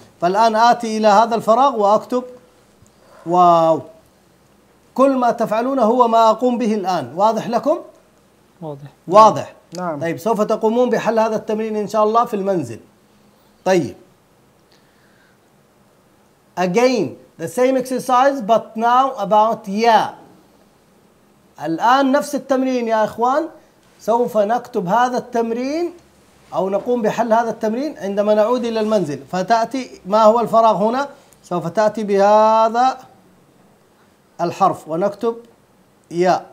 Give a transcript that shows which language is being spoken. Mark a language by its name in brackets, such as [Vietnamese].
[Arabic] فالآن آتي إلى هذا الفراغ وأكتب واو. كل ما تفعلونه هو ما أقوم به الآن. واضح لكم؟ واضح. نعم. طيب سوف تقومون بحل هذا التمرين إن شاء الله في المنزل. [English] طيب again the same exercise but now about يا. [Arabic] الآن نفس التمرين يا إخوان، سوف نكتب هذا التمرين أو نقوم بحل هذا التمرين عندما نعود إلى المنزل. فتأتي، ما هو الفراغ هنا؟ سوف تأتي بهذا الحرف ونكتب يا.